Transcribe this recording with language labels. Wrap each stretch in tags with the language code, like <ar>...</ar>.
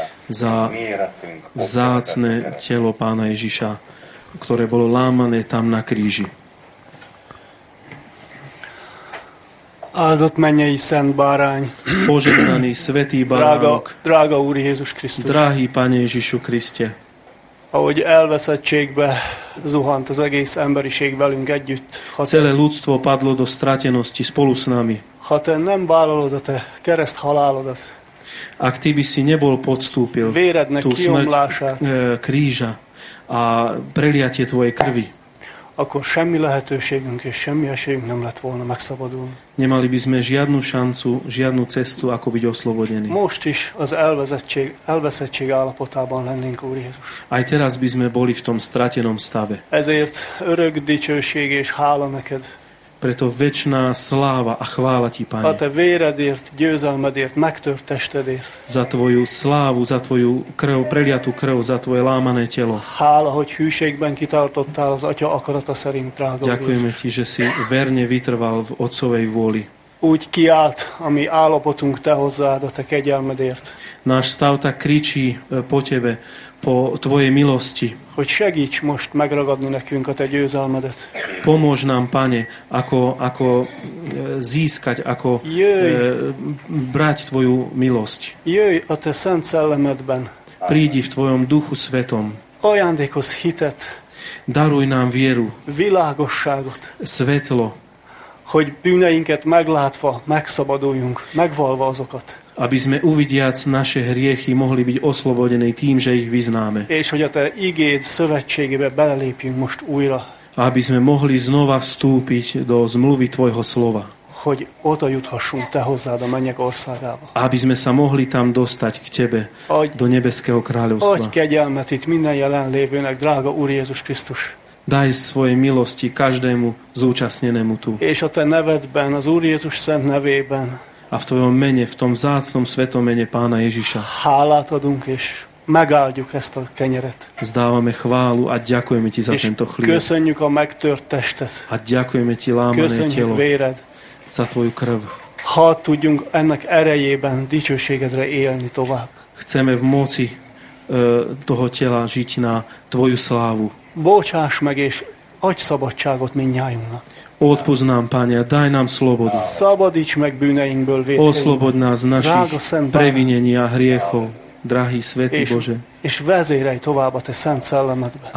<sk>za vzácne telo Pána Ježiša, ktoré bolo lámané tam na kríži.</sk> <hu>Áldott mennyei szent bárány,</hu> <sk>požehnaný svätý</sk> <hu>baránok, drága Úr Jézus Krisztus,</hu> <sk>drahý Pane Ježišu Kriste,</sk> <hu>ahogy elveszettségbe zuhant az egész emberiség velünk együtt.</hu> <sk>Celé ľudstvo padlo do stratenosti spolu s nami.</sk> <hu>Ha te nem vállalod a te kereszt halálodat.</hu> <sk>Ak ty by si nebol podstúpil</sk> <hu>vérednek tú kiomlását,</hu> <sk>kríža a preliatie tvojej krvi,</sk> <hu>akkor semmi lehetőségünk és semmi esélyünk nem lett volna megszabadulni.</hu> <sk>Nemali by sme žiadnu šancu, žiadnu cestu, ako byť oslobodení.</sk> <hu>Most is az elveszettség állapotában lennénk, Úr Jézus.</hu> <sk>Aj teraz by sme boli v tom stratenom stave.</sk> <hu>Ezért örök dicsőség és hála neked.</hu> <sk>Preto večná sláva a chvála ti, Pane.</sk> <hu>A te véredért, győzelmedért, megtört testedért.</hu> <sk>Za tvoju slávu, za tvoju krv, preliatú krv, za tvoje lámané telo.</sk> <hu>Hála, hogy hűségben kitartottál az atya akarata szerint, drága Jézus.</hu> <sk>Ďakujeme ti, že si verne vytrval v otcovej vôli.</sk> <hu>Úgy kiált a mi állapotunk te hozzád, a te kegyelmedért.</hu> <sk>Náš stav tak kričí po tebe, po tvojej milosti.</sk> <hu>Hogy segíts most megragadni nekünk a te győzelmedet.</hu> <sk>Pomôž nám, Pane, ako získať, ako brať tvoju milosť.</sk> <hu>Jöjj a te szent szellemedben.</hu> <sk>Prídi v tvojom duchu svetom.</sk> <hu>Ajándékozz hitet.</hu> <sk>Daruj nám vieru.</sk> <hu>Világosságot.</hu> <sk>Svetlo.</sk> <hu>Hogy bűneinket meglátva megszabaduljunk, megvalva azokat.</hu> <sk>aby sme uvidiac naše hriechy mohli byť oslobodení tým, že ich vyznáme.</sk> <hu>És hogy a te igéd szövetségébe belelépjünk most újra.</hu> <sk>Aby sme mohli znova vstúpiť do zmluvy tvojho slova.</sk> <hu>Hogy oda juthassunk te hozzád a mennyek országába.</hu> <sk>Aby sme sa mohli tam dostať k tebe, adj, do nebeského kráľovstva.</sk> <hu>Adj kegyelmet itt minden jelenlévőnek, drága Úr Jézus Krisztus.</hu> <sk>Daj svojej milosti každému zúčastnenému tu.</sk> <hu>És a te nevedben, az Úr Jézus szent nevében.</hu> <sk>A v tvojom mene, v tom vzácnom svetom mene Pána Ježiša.</sk> <hu>Hálát adunk és megáldjuk ezt a kenyeret.</hu> <sk>Zdávame chválu a ďakujeme ti za</sk> <hu>és</hu> <sk>tento chlieb.</sk> <hu>Köszönjük a megtört testet.</hu> <sk>A ďakujeme ti lámané</sk> <hu>köszönjük</hu> <sk>telo.</sk> <hu>Köszönjük véred.</hu> <sk>Za tvoju krv.</sk> <hu>Ha tudjunk ennek erejében dicsőségedre élni tovább.</hu> <sk>Chceme v moci toho tela žiť na tvoju slávu.</sk> <hu>Bocsáss meg és adj szabadságot mindnyájunknak.</hu> <sk>Odpusť nám, Pane, daj nám slobodu.</sk> <hu>Szabadíts meg bűneinkből, vétkeinkből.</hu> <sk>Oslobod nás z našich previnení a hriechov, drahý svätý Bože.</sk> <hu>És vezérej tovább a te szent szellemedben.</hu>